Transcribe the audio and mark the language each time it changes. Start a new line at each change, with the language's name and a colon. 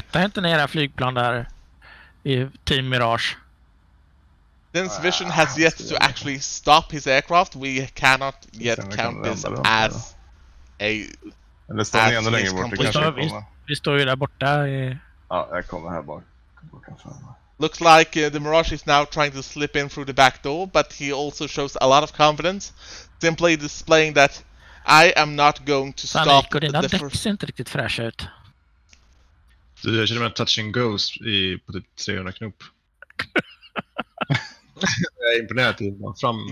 English: Tvätta inte ner flygplan där i Team Mirage. Since Vision has yet to actually stop his aircraft, we cannot yet count this as a...
Swedish: Eller står ni ännu längre bort? Vi står ju där borta i... Ja, jag kommer här bak.
English: Looks like the Mirage is now trying to slip in through the back door, but he also shows a lot of confidence, simply displaying that I am not going to stop the first...
Swedish: Fan, Eko, dina däck ser inte riktigt fräscha ut. Du, jag känner mig en
English: touching ghost
Swedish: på typ 300 knop. Jag är imponerad till att fram...